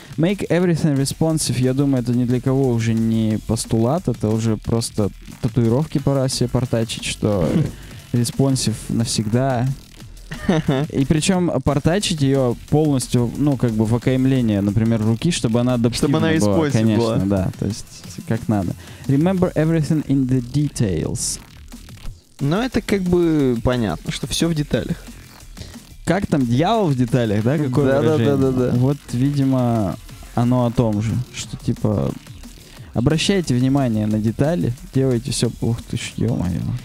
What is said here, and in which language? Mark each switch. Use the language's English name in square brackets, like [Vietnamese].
[English] Make everything responsive, [Russian] я думаю, это ни для кого уже не постулат, это уже просто татуировки пора себе портачить, что responsive навсегда... И причем портачить ее полностью, ну, как бы в окаймление, например, руки, чтобы она адаптивна чтобы она была, конечно, была. Да, то есть как надо. [English] Remember everything in the details. [Russian] Ну, это как бы понятно, что все в деталях. Как там, дьявол в деталях, да, какое выражение? Да-да-да-да-да. Вот, видимо, оно о том же, что типа... Обращайте внимание на детали, делайте все. Ух ты ж, ё-моё.